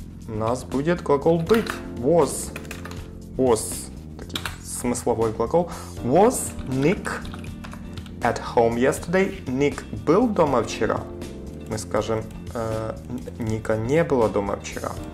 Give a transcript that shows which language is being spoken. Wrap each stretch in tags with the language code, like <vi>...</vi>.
<ru>У нас будет глагол быть, was, was, такой смысловой глагол.</ru> <en>Was Nick at home yesterday?</en> <ru>Ник был дома вчера? Мы скажем, Ника не было дома вчера.</ru>